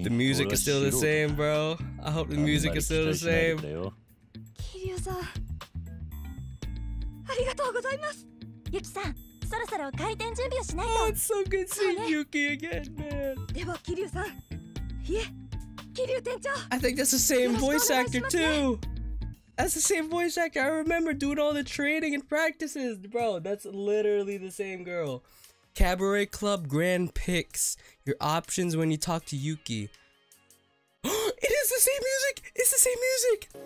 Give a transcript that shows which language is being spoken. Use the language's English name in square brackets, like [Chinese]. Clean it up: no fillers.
[English] I hope the music is still the same, bro. I hope the music is still the same. [Japanese] キリュウさん、ありがとうございます。ユキさん、そろそろ開店準備をしないと。 [English] Oh, it's so good seeing Yuki again, man. [Japanese] ではキリュウさん、いえ、キリュウ店長。 [English] I think that's the same voice actor too. That's the same voice actor. I remember doing all the training and practices, bro. That's literally the same girl. Cabaret Club Grand Picks. Your options when you talk to Yuki. It is the same music! It's the same music!